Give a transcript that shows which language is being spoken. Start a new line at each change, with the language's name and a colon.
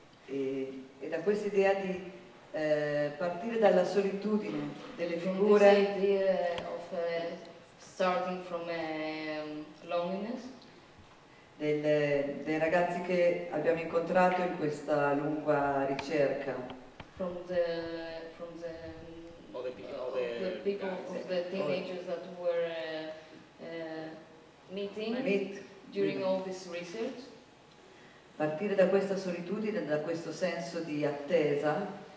Italian: E da questa idea di partire dalla solitudine delle figure.
English: This idea of starting from loneliness.
Italian: Dei ragazzi che abbiamo incontrato in questa lunga ricerca.
English: From the teenagers that were meeting during all this research.
Italian: Partire da questa solitudine, da questo senso di attesa.